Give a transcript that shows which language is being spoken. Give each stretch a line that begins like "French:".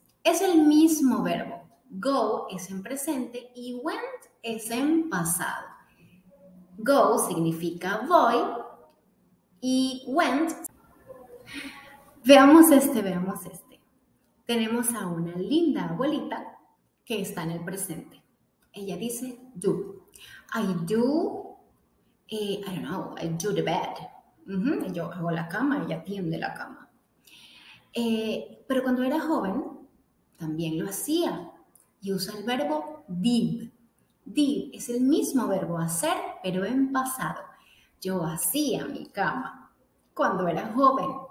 Spanish: Es el mismo verbo. Go es en presente y went es en pasado. Go significa voy y went. Veamos este. Tenemos a una linda abuelita que está en el presente. Ella dice, do.
English: I do, I don't know, I do the bed.
Spanish: Yo hago la cama, ella tiende la cama. Pero cuando era joven, también lo hacía. Y usa el verbo did. Did es el mismo verbo hacer, pero en pasado. Yo hacía mi cama cuando era joven.